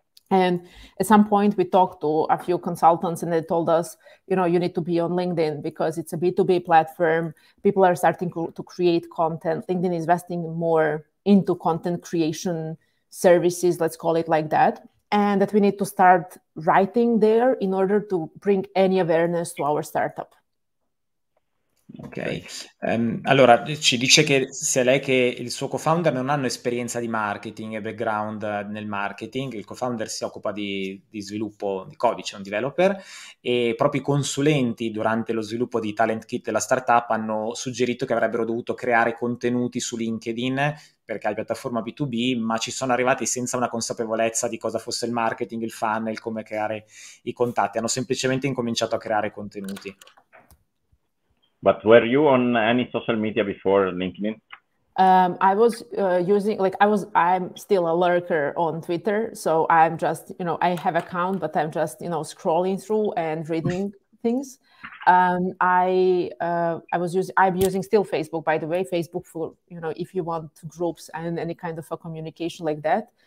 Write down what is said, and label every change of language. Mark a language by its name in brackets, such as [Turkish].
[English] And at some point we talked to a few consultants and they told us, you know, you need to be on LinkedIn because it's a B2B platform. People are starting to create content. LinkedIn is investing more into content creation services, let's call it like that. And that we need to start writing there in order to bring any awareness to our startup. [Italian] Ok, allora ci dice che se lei che il suo co-founder non hanno esperienza di marketing e background nel marketing, il co-founder si occupa di sviluppo di codice, un developer, e proprio i consulenti durante lo sviluppo di Talent Kit della startup hanno suggerito che avrebbero dovuto creare contenuti su LinkedIn perché è la piattaforma B2B, ma ci sono arrivati senza una consapevolezza di cosa fosse il marketing, il funnel, come creare i contatti, hanno semplicemente incominciato a creare contenuti. [English] But were you on any social media before LinkedIn? I was using, like, I'm still a lurker on Twitter. So I'm just, you know, I have account, but I'm just, you know, scrolling through and reading things. I'm using still Facebook, by the way, Facebook for, you know, if you want groups and any kind of a communication like that.